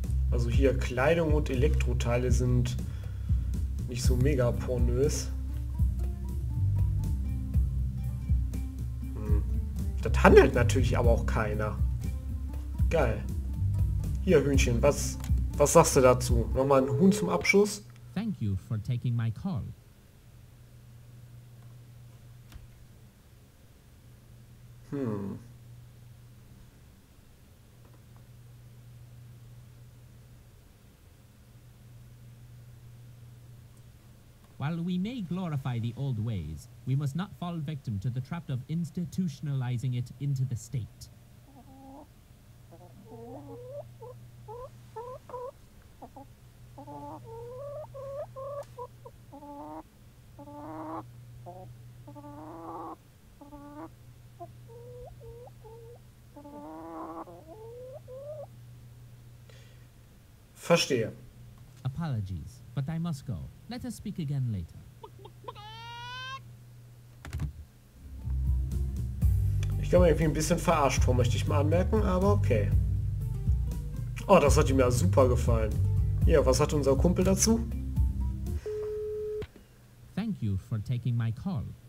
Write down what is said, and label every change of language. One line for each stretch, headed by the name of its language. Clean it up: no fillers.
German: Also hier Kleidung und Elektroteile sind nicht so mega pornös. Das handelt natürlich aber auch keiner. Geil. Hier, Hühnchen, was sagst du dazu? Nochmal ein Huhn zum Abschuss?
English: Thank you for taking my call. Hm. While we may glorify the old ways, we must not fall victim to the trap of institutionalizing it into the state.
German: Verstehe.
English: Apologies. But I must go. Let us speak again later.
German: Ich komme irgendwie ein bisschen verarscht vor, möchte ich mal anmerken, aber okay. Oh, das hat ihm ja super gefallen. Ja, was hat unser Kumpel dazu?
English: Thank you for taking my call.